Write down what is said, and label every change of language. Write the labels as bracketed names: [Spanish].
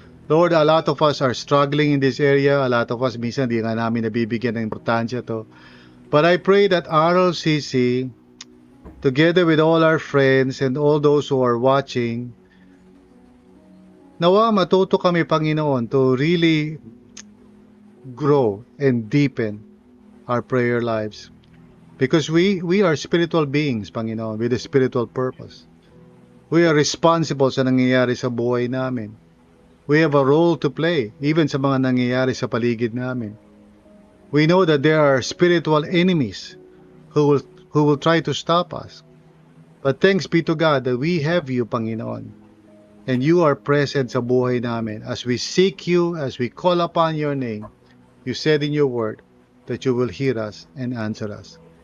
[English] Lord, a lot of us are struggling in this area. A lot of us, [Filipino] minsan, di nga namin nabibigyan ng importansya to. [English] But I pray that RLCC, together with all our friends and all those who are watching, [Filipino] nawa matuto kami, [English] Panginoon, to really grow and deepen our prayer lives. Because we are spiritual beings, Panginoon, with a spiritual purpose. We are responsible [Filipino] sa nangyayari sa buhay namin. [English] We have a role to play, even [Filipino] sa mga nangyayari sa paligid namin. [English] We know that there are spiritual enemies who will try to stop us. But thanks be to God that we have you, Panginoon. And you are present [Filipino] sa buhay namin. [English] As we seek you, as we call upon your name, you said in your word that you will hear us and answer us.